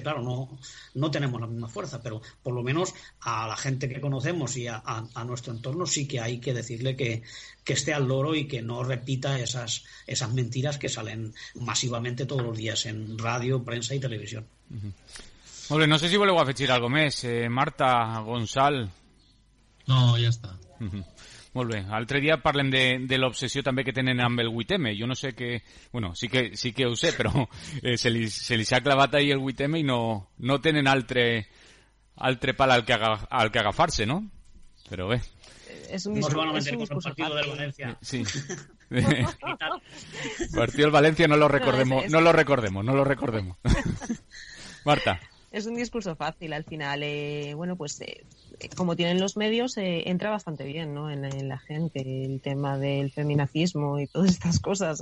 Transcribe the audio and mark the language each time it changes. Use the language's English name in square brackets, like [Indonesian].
[Spanish] Claro, no tenemos la misma fuerza, pero por lo menos a la gente que conocemos y a nuestro entorno sí que hay que decirle que esté al loro y que no repita esas mentiras que salen masivamente todos los días en radio, prensa y televisión. Hombre, no sé si vuelvo a fechir algo más. Marta, Gonzal... No, ya está. [Catalan] Molt bé, altre dia parlem de l'obsessió també que tenen amb el 8M. Jo no sé que, bueno, sí que ho sé, però se li s'ha clavat ahí el 8M i no tenen altre pal al que agafar-se, no? Però bé. [Spanish] es un discurso. No se van a meter con el partido del Valencia. Sí. Partido del Valencia no lo recordemos, no, no lo recordemos, no lo recordemos. Marta. Es un discurso fácil, al final, bueno, pues como tienen los medios, entra bastante bien, ¿no?, en la gente, el tema del feminazismo y todas estas cosas.